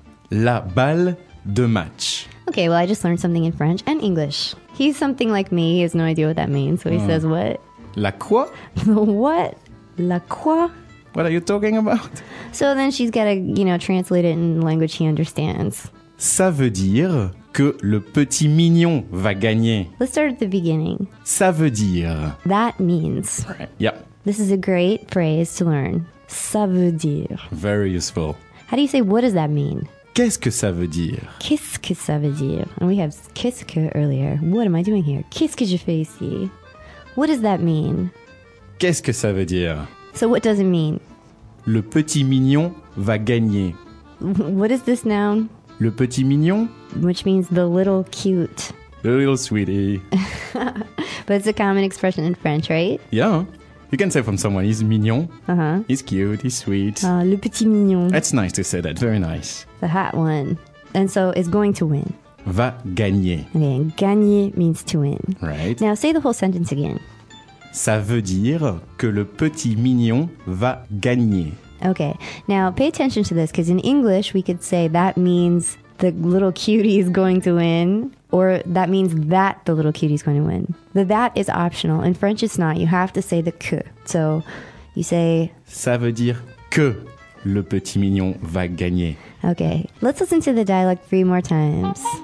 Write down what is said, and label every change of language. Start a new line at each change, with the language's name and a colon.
French: La balle de match.
English: Okay, well I just learned something in French and English. He's something like me, he has no idea what that means, so he says what?
French: La quoi?
English: What?
French: La quoi?
English: What are you talking about? So then she's got to, you know, translate it in language he understands.
French: Ça veut dire que le petit mignon va gagner.
English: Let's start at the beginning.
French: Ça veut dire.
English: That means. Right. Yeah. This is a great phrase to learn.
French: Ça veut dire.
English: Very useful. How do you say what does that mean?
French: Qu'est-ce que ça veut dire? Qu'est-ce que ça veut dire?
English: And we have qu'est-ce que earlier. What am I doing here?
French: Qu'est-ce que je fais ici?
English: What does that mean?
French: Qu'est-ce que ça veut dire?
English: So what does it mean?
French: Le petit mignon va gagner.
English: What is this noun?
French: Le petit mignon.
English: Which means the little cute. The little sweetie. But it's a common expression in French, right? Yeah. You can say from someone, he's mignon. Uh-huh. He's cute, he's sweet.
French: Le petit mignon.
English: That's nice to say that, very nice. The hot one. And so it's going to win.
French: Va gagner.
English: Okay, and gagner means to win. Right. Now, say the whole sentence again.
French: Ça veut dire que le petit mignon va gagner.
English: Okay. Now, pay attention to this, because in English, we could say that means the little cutie is going to win, or that means that the little cutie is going to win. The that is optional. In French, it's not. You have to say the que. So, you say...
French: Ça veut dire que le petit mignon va gagner.
English: Okay, let's listen to the dialogue 3 more times.